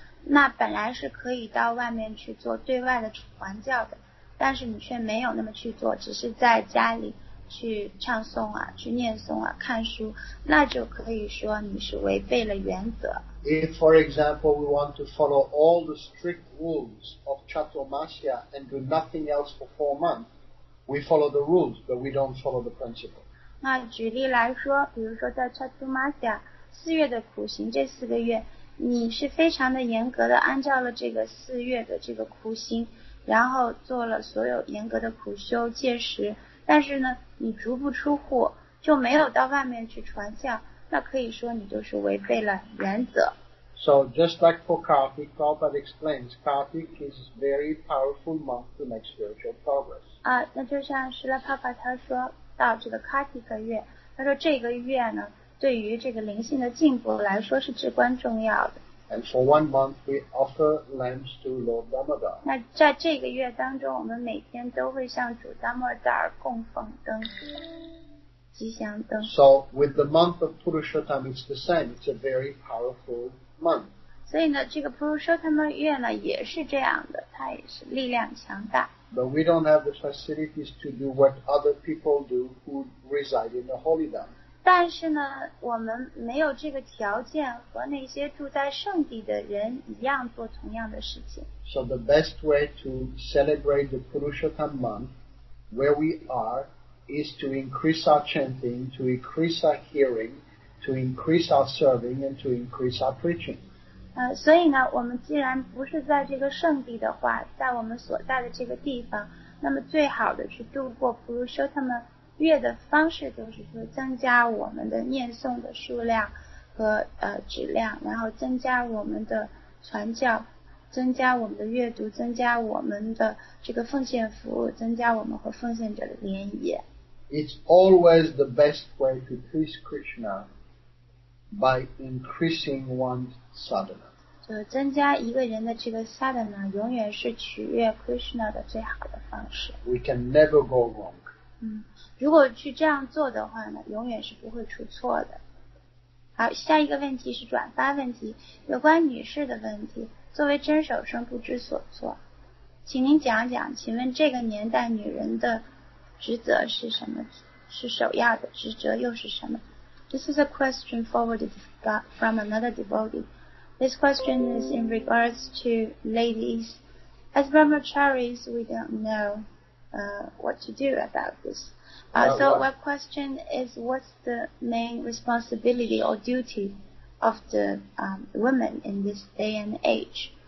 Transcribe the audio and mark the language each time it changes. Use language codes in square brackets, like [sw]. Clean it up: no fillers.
[zh] 那本来是可以到外面去做对外的传教的，但是你却没有那么去做，只是在家里去唱诵啊，去念诵啊，看书，那就可以说你是违背了原则。 [en] If, for example, we want to follow all the strict rules of Chaturmasya and do nothing else for 4 months, we follow the rules, but we don't follow the principle. [zh] 那举例来说，比如说在 Chaturmasya 四月的苦行这四个月。你是非常的严格的按照了这个四月的这个苦行，然后做了所有严格的苦修戒食，但是呢你足不出户，就没有到外面去传教，那可以说你就是违背了原则。 [en] So just like for Kartik, Prabhupada explains Kartik is a very powerful month to make spiritual progress. [zh] 那就像是Srila Prabhupada他说到这个 Kartik 月，他说这个月呢对于这个灵性的进步来说是至关重要的。 [en] And for 1 month, we offer lamps to Lord Damodar. [zh] 那在这个月当中，我们每天都会向主达摩达尔供奉灯，吉祥灯。 [en] So with the month of Purushottam, it's the same. It's a very powerful month. [zh] 所以呢，这个 Purushottam 月呢也是这样的，它也是力量强大。 [en] But we don't have the facilities to do what other people do who reside in the holy land. [zh] 但是呢，我们没有这个条件和那些住在圣地的人一样做同样的事情。 [en] So the best way to celebrate the Purushottam month where we are is to increase our chanting, to increase our hearing, to increase our serving, and to increase our preaching. [zh] 所以呢，我们既然不是在这个圣地的话，在我们所在的这个地方，那么最好的去度过 Purushottam月的方式就是说增加我们的念诵的数量和质量，然后增加我们的传教，增加我们的阅读，增加我们的这个奉献服务，增加我们和奉献者的联谊。 [en] It's always the best way to please Krishna by increasing one's sadhana. [zh] 增加一个人的这个 sadhana 永远是取悦 Krishna 的最好的方式。 [en] We can never go wrong. [zh] 如果去这样做的话呢，永远是不会出错的。好，下一个问题是转发问题，有关女士的问题。作为真守生不知所措，请您讲讲，请问这个年代女人的职责是什么？是首要的职责又是什么？ [en] This is a question forwarded from another devotee. This question is in regards to ladies. As brahmacharis, we don't know what to do about this. What question is, what's the main responsibility or duty of the women in this day and age?